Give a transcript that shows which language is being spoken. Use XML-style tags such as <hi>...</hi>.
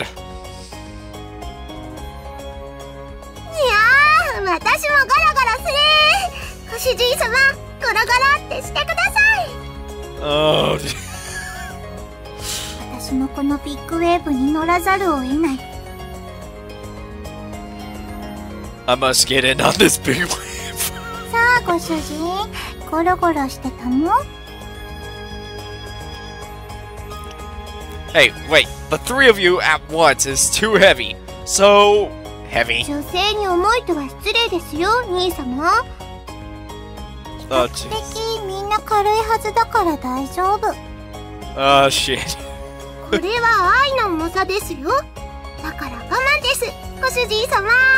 <en>Yeah, I'm going to go to the house. I'm going to go to the house. Oh, dear. I must get in on this big wave.</en> <ja>さあ、ご主人、ゴロゴロしてたの?</ja> <en>Hey, wait. The three of you at once is too heavy. So heavy.</en> <ja>女性に重いとは失礼ですよ、兄様。比較的みんな軽いはずだから大丈夫。</ja> <en>Oh, shit.</en> <ja>これは愛の重さですよ。だから我慢です、ご主人様。</ja>